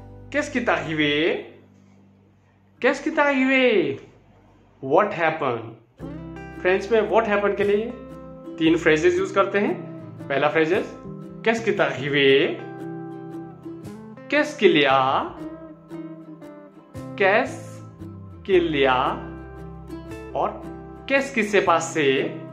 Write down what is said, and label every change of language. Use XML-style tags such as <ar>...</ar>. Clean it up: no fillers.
<fr>Qu'est-ce qui t'est arrivé?</fr> <en>What happened?</en> <hi>French में</hi> <en>what happened</en> <hi>के लिए तीन phrases use करते हैं. पहला phrase is</hi> <fr>Qu'est-ce qu'il y a? और qu'est-ce qui s'est passé?</fr>